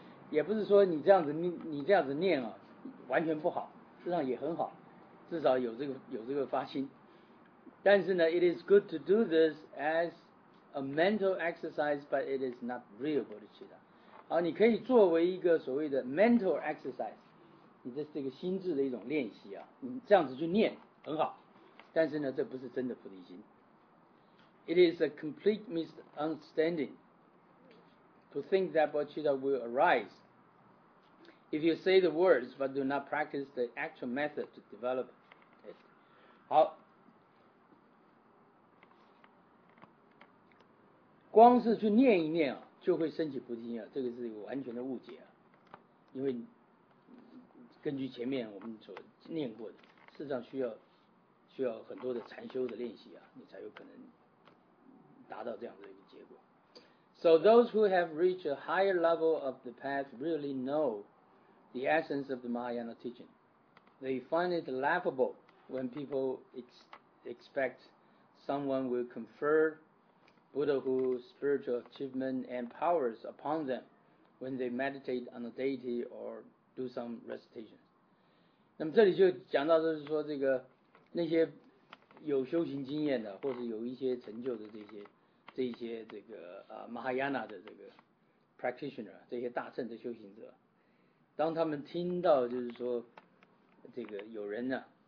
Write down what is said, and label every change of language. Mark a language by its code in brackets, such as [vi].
[zh] 也不是说你这样子念啊完全不好，实际上也很好，至少有这个发心。但是呢 [en] it is good to do this as a mental exercise, but it is not real bodhicitta. [zh] 好，你可以作为一个所谓的 mental exercise, 你这是这个心智的一种练习啊，你这样子去念很好，但是呢这不是真的菩提心。 [en] It is a complete misunderstanding to think that bodhicitta will arise if you say the words but do not practice the actual method to develop it. [zh] 好，光是去念一念啊，就会升起菩提心啊，这个是一个完全的误解啊。因为根据前面我们所念过的，事实上需要很多的禅修的练习啊，你才有可能达到这样的一个结果。 [en] So those who have reached a higher level of the path really know the essence of the Mahayana teaching. They find it laughable when people expect someone will conferBuddhahood, spiritual achievement and powers upon them when they meditate on a deity or do some recitation. [zh] 那么这里就讲到就是说这个那些有修行经验的或是有一些成就的这些这个、Mahayana 的这个 practitioner, 这些大乘的修行者，当他们听到就是说这个有人呢、